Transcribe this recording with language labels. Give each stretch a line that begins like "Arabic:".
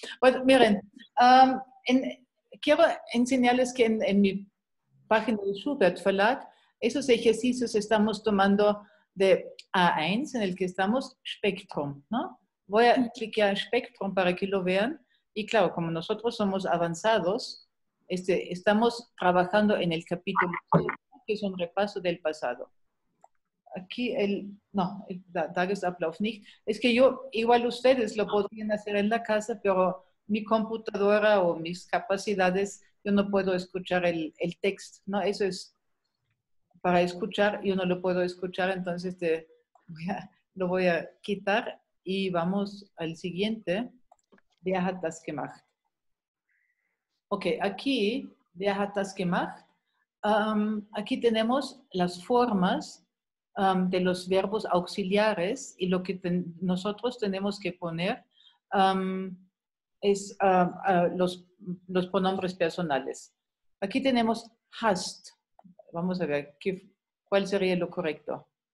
Spanish: Bueno, miren, quiero enseñarles que en mi página de Schubert Verlag, esos ejercicios estamos tomando de A1, en el que estamos, Spektrum, ¿no? Voy a clicar Spektrum para que lo vean. Y claro, como nosotros somos avanzados, estamos trabajando en el capítulo 6, que es un repaso del pasado. Aquí el Tagesablauf nicht. Es que yo, igual ustedes lo podrían hacer en la casa, pero mi computadora o mis capacidades, yo no puedo escuchar el texto, ¿no? Eso es para escuchar, yo no lo puedo escuchar, entonces lo voy a quitar y vamos al siguiente.
German: Wer hat das gemacht? Ok, aquí, wer hat das gemacht?
Spanish: Aquí tenemos las formas de los verbos auxiliares y lo que nosotros tenemos que poner es los pronombres personales. Aquí tenemos hast. Vamos a ver, ¿cuál sería lo correcto?